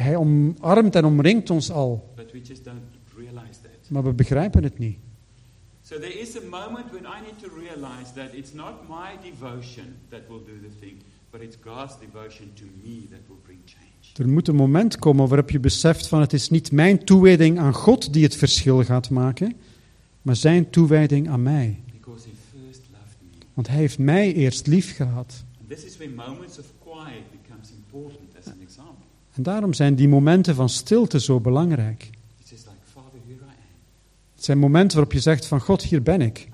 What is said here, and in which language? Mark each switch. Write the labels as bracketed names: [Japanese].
[Dutch] Hij omarmt en omringt ons al. [English] But we just don't realize that. [Dutch] Maar we begrijpen het niet. [English] So there is a moment when I need to realize that it's not my devotion that will do the thing, but it's God's devotion to me that will bring change. [Dutch] Er moet een moment komen waarop je beseft van het is niet mijn toewijding aan God die het verschil gaat maken, maar zijn toewijding aan mij. [English] Because he first loved me. [Dutch] Want hij heeft mij eerst lief gehad. [English] And this is where moments of quiet becomes important as an example. [Dutch] En daarom zijn die momenten van stilte zo belangrijk. [English] It's just like, Father, here I am. [Dutch] Het zijn momenten waarop je zegt van God, hier ben ik.